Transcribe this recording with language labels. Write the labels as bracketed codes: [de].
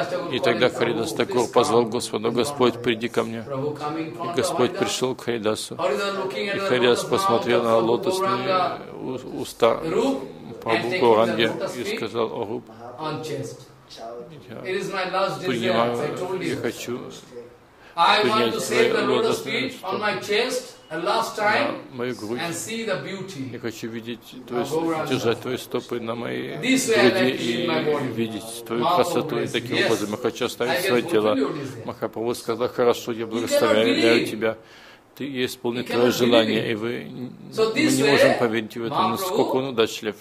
[ru] И тогда Харидас Такур позвал Господа: «Господь, приди ко мне». И Господь пришел к Харидасу. И Харидас посмотрел на лотосные уста Прабху Гауранги и сказал: «О, Руб, я принимаю, я хочу». [en] I want to see the lotus feet on my chest a last time and see the beauty. [ru] Я хочу видеть твои держать твои стопы на моей груди и видеть твою красоту и таким образом. Я хочу оставить свое тело. Махапрабху сказал: хорошо, я благословляю тебя. Ты исполнил твое желание, и мы не можем поверить в это, насколько он удачлив.